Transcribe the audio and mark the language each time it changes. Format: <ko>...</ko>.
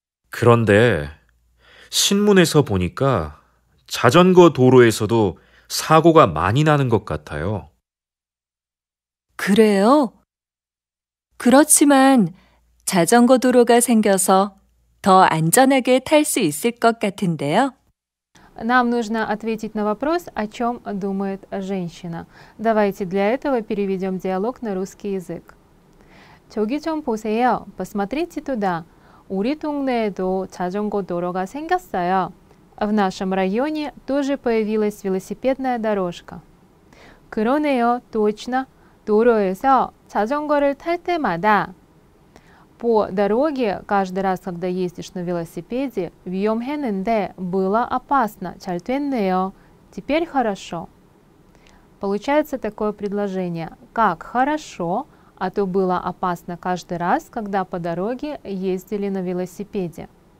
<ko>그런데 신문에서 보니까 자전거 도로에서도 사고가 많이 나는 것 같아요. 그래요? 그렇지만 자전거 도로가 생겨서 더 안전하게 탈 수 있을 것 같은데요.</ko> <ru>Нам нужно ответить на вопрос, о чем думает женщина. Давайте для этого переведем диалог на русский язык.</ru> <ko>저기 좀 보세요.</ko> <ru>Посмотрите туда.</ru> <ko>우리 동네에도 자전거 도로가 생겼어요.</ko> <ru>В нашем районе тоже появилась велосипедная дорожка.</ru> <ko>그러네요.</ko> <ru>Точно.</ru> <ko>도로에서 자전거를 탈 때마다.</ko> <ru>По дороге, каждый раз, когда ездишь на велосипеде, виомхэнэндэ, было опасно, чальтвэннэё, теперь хорошо. Получается такое предложение, как хорошо, а то было опасно каждый раз, когда по дороге ездили на велосипеде.</ru>